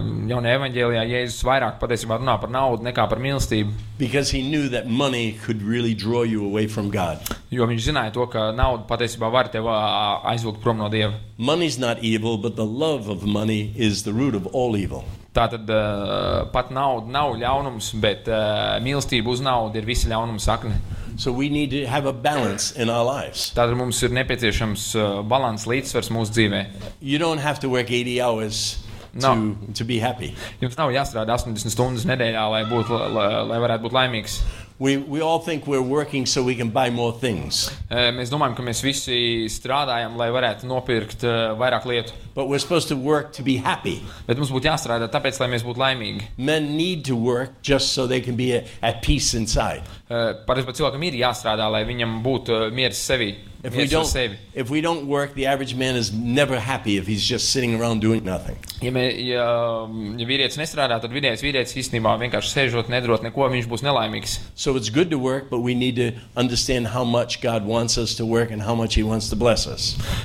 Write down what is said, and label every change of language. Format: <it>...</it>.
<lv>Jaunajā evaņģēlijā Jēzus vairāk patiesībā runā par naudu nekā par mīlestību.</lv> <en>Because he knew that money could really draw you away from God.</en> <lv>Jo viņš zināja to, ka nauda patiesībā var tevi aizvilkt prom no Dieva.</lv> <en>Money is not evil, but the love of money is the root of all evil.</en> <lv>Tātad pat nauda nav ļaunums, bet mīlestība uz naudu ir visa ļaunuma sakne.</lv> <en>So we need to have a balance in our lives.</en> <lv>Tātad mums ir nepieciešams balans, līdzsvars mūsu dzīvē.</lv> <en>You don't have to work 80 hours to be happy.</en> <lv>Jums nav jāstrādā 80 stundas nedēļā, lai varētu būt laimīgs.</lv> <en>We all think we're working so we can buy more things.</en> <lv>Mēs domājam, ka mēs visi strādājam, lai varētu nopirkt vairāk lietu.</lv> <en>But we're supposed to work to be happy.</en> <lv>Bet mums būtu jāstrādā tāpēc, lai mēs būtu laimīgi.</lv> <en>Men need to work just so they can be at peace inside.</en> <lv>Parasti cilvēkam ir jāstrādā, lai viņam būtu miers sevi.</lv> <en>If we don't work, the average man is never happy if he's just sitting around doing nothing.</en> <lv>Ja vīrietis nestrādā, tad vīrietis īstenībā vienkārši sēžot, nedarot neko, viņš būs nelaimīgs.</lv> <en>So it's good to work, but we need to understand how much God wants us to work and how much he wants to bless us.</en>